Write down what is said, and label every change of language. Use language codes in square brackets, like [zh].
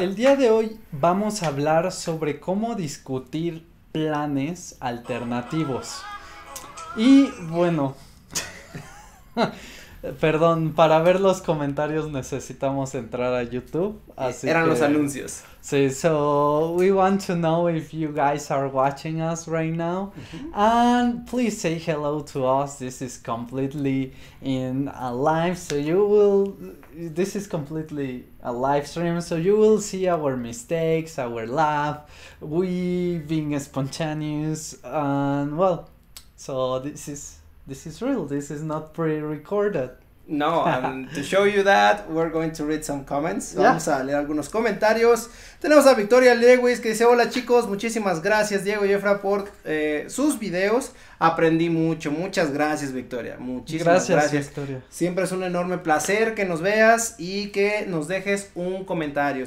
[es] El día de hoy vamos a hablar sobre cómo discutir planes alternativos. Y bueno, perdón, para ver los comentarios necesitamos entrar a YouTube, así Eran los que anuncios. [en] sí, so we want to know if you guys are watching us right now. And please say hello to us. This is completely in a live, so you will. This is completely a live stream, so you will see our mistakes, our laugh, we being spontaneous, and well, so this is real. This is not pre-recorded. No, and to show you that, we're going to read some comments. [es] Vamos [en] Yeah. [es] a leer algunos comentarios. Tenemos a Victoria Lewis que dice: Hola chicos, muchísimas gracias Diego y Efra por sus videos. Aprendí mucho. Muchas gracias, Victoria. Muchísimas Gracias, gracias. Victoria. Siempre es un enorme placer que nos veas y que nos dejes un comentario.